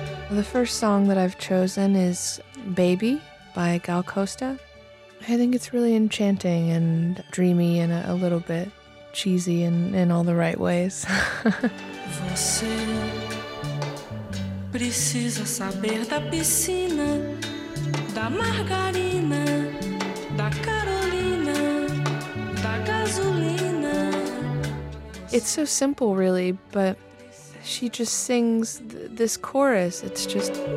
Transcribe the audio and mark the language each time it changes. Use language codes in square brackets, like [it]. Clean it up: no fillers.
[en] The first song that I've chosen is Baby by Gal Costa. I think it's really enchanting and dreamy and a little bit cheesy in all the right ways. [pt] Você precisa saber da piscina, da margarina, da Carolina, da gasolina. [en] It's so simple, really, but she just sings this chorus. It's just...